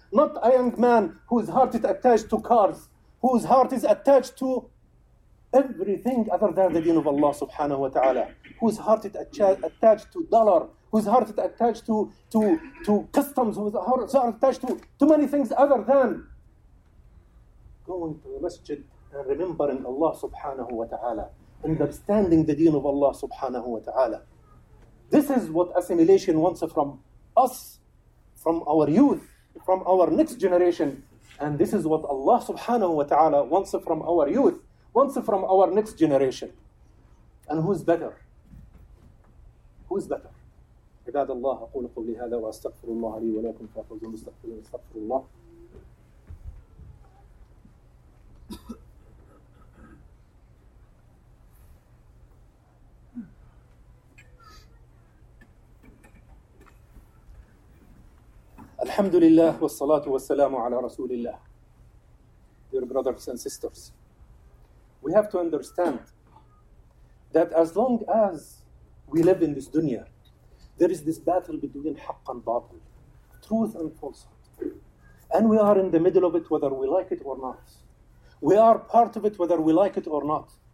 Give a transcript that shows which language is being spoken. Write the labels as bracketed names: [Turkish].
[English] Not a young man whose heart is attached to cars, whose heart is attached to everything other than the deen of Allah subhanahu wa ta'ala, whose heart is attached to dollar, whose heart is attached to customs, whose heart is attached to many things other than going to the masjid and remembering Allah subhanahu wa ta'ala, understanding the deen of Allah subhanahu wa ta'ala. This is what assimilation wants from us, from our youth, from our next generation. And this is what Allah subhanahu wa ta'ala wants from our youth, wants from our next generation. And who's better? Who's better? [Arabic] عباد الله أقول قولي هذا وأستغفر الله لي ولكم فأخذوا مستغفرين استغفر الله. الحمد لله والصلاة والسلام على رسول الله. [English] Dear brothers and sisters, we have to understand that as long as we live in this dunya, there is this battle between haqq and batil, truth and falsehood. And we are in the middle of it whether we like it or not. We are part of it whether we like it or not.